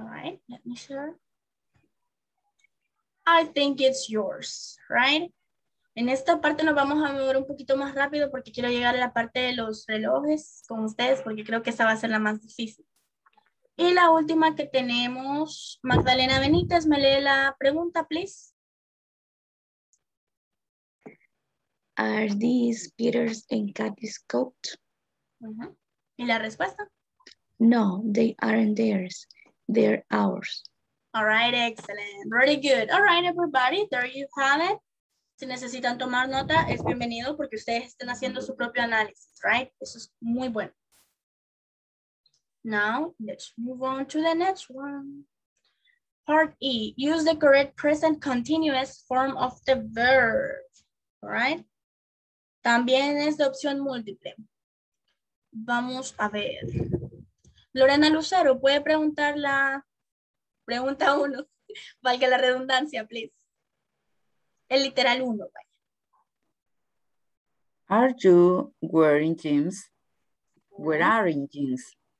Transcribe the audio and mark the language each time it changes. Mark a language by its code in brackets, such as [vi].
[en] All right, let me share. I think it's yours, right? [es] En esta parte nos vamos a mover un poquito más rápido porque quiero llegar a la parte de los relojes con ustedes porque creo que esa va a ser la más difícil. Y la última que tenemos, Magdalena Benítez, me lee la pregunta, please. [en] Are these Peter's and Kathy's coat? [es] Uh-huh. ¿Y la respuesta? [en] No, they aren't theirs. They're ours. All right, excellent. Very good. All right, everybody. There you have it. [es] Si necesitan tomar nota, es bienvenido porque ustedes están haciendo su propio análisis, right? Eso es muy bueno. [en] Now, let's move on to the next one. Part E. Use the correct present continuous form of the verb. All right? [es] También es de opción múltiple. Vamos a ver. Lorena Lucero, ¿puede preguntar la Pregunta uno. Valga la redundancia, please. El literal uno, vaya. [en] Are you wearing jeans? Where are in jeans?